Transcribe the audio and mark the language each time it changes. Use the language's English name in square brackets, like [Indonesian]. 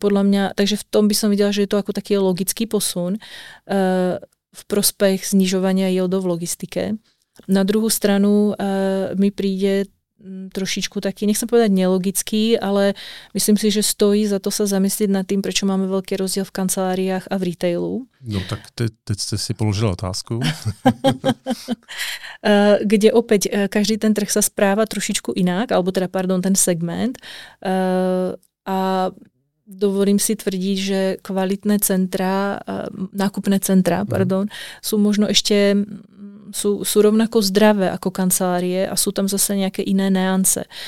[Slovak] Podľa mňa, takže v tom by som videla, že je to ako taký logický posun v prospech znižovania yieldov v logistike. [Czech] Na druhou stranu [Slovak] mi príde trošičku taký, nechcem povedať nelogický, ale myslím si, že stojí za to sa zamyslieť nad tým, prečo máme veľký rozdiel v kanceláriách a v retailu. [Czech] No tak teď ste si položila otázku. [Slovak] Kde opäť každý ten trh sa správa trošičku inak, alebo teda, pardon, ten segment. A dovolím si tvrdiť, že kvalitné centra, nákupné centra, pardon, sú možno ešte... Sú rovnako zdravé ako kancelárie a sú tam zase nejaké iné neance.